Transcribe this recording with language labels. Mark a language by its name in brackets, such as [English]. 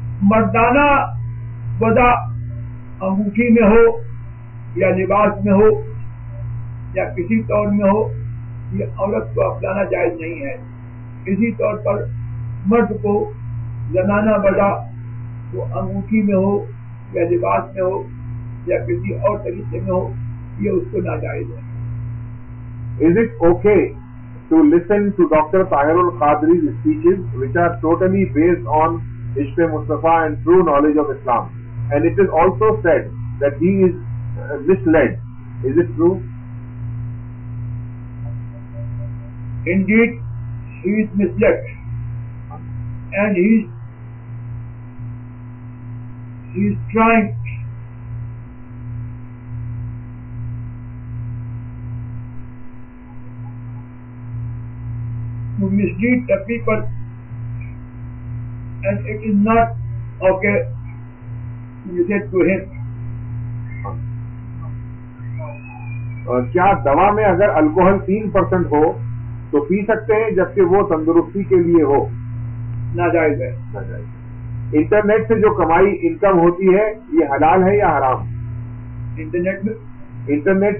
[Urdu] مردانہ وضع انگوٹھی میں ہو یا لباس میں ہو یا کسی طور میں ہو, یہ عورت کو اپنانا جائز نہیں ہے. اسی طور پر مرد کو زنانہ وضع وہ انگوٹھی میں ہو یا لباس میں ہو یا کسی اور طریقے میں ہو, یہ اس کو ناجائز ہے. [English] Is it okay to listen to Dr. Tahir al-Qadri's speeches which are totally based on Ishq-e Mustafa and true knowledge of Islam, and it is also said that he is misled, is it true? Indeed, he is misled, and he is trying to mislead the people, and it is not okay to listen to him. [Urdu] کیا دوا میں اگر alcohol 3% ہو تو پی سکتے ہیں جبکہ وہ تندرستی کے لیے ہو؟ ناجائز ہے. ناجائز. انٹرنیٹ سے جو کمائی انکم ہوتی ہے یہ حلال ہے یا حرام؟ انٹرنیٹ